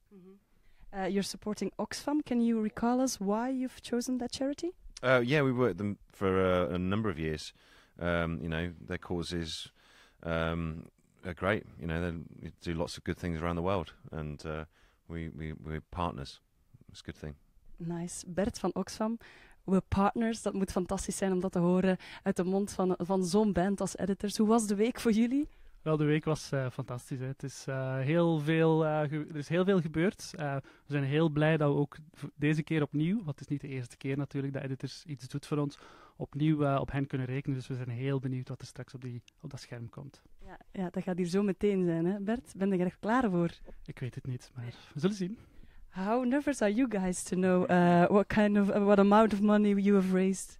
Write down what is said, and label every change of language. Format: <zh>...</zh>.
<en>Mm-hmm. You're supporting Oxfam. Can you recall us why you've chosen that charity? Yeah, we worked them for a number of years. You know, their causes are great. You know, they do lots of good things around the world. And we're partners. It's a good thing. Nice.</en> <nl>Bert van Oxfam, we partners, dat moet fantastisch zijn om dat te horen uit de mond van zo'n band als Editors. Hoe was de week voor jullie? Wel, de week was fantastisch. Hè. Het is, er is heel veel gebeurd. We zijn heel blij dat we ook deze keer opnieuw, want het is niet de eerste keer natuurlijk dat Editors iets doet voor ons, opnieuw op hen kunnen rekenen. Dus we zijn heel benieuwd wat er straks op dat scherm komt. Ja, dat gaat hier zo meteen zijn. Hè. Bert, ben je er echt klaar voor? Ik weet het niet, maar we zullen zien.</nl> <en>How nervous are you guys to know what amount of money you have raised?</en>